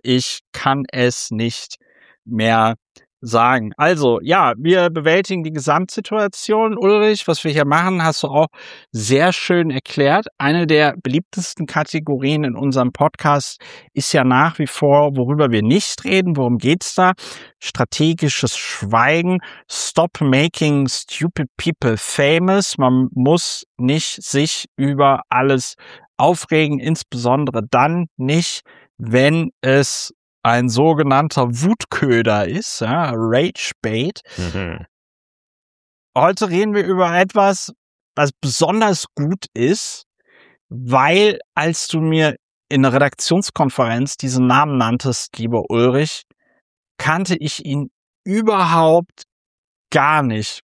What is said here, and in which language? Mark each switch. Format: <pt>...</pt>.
<de>Ich kann es nicht mehr sagen. Also, ja, wir bewältigen die Gesamtsituation. Ulrich, was wir hier machen, hast du auch sehr schön erklärt. Eine der beliebtesten Kategorien in unserem Podcast ist ja nach wie vor, worüber wir nicht reden. Worum geht's da? Strategisches Schweigen.</de> <en>Stop making stupid people famous.</en> <de>Man muss nicht sich über alles aufregen, insbesondere dann nicht, wenn es ein sogenannter Wutköder ist, ja, Ragebait. Heute reden wir über etwas, was besonders gut ist, weil als du mir in der Redaktionskonferenz diesen Namen nanntest, lieber Ulrich, kannte ich ihn überhaupt gar nicht.</de>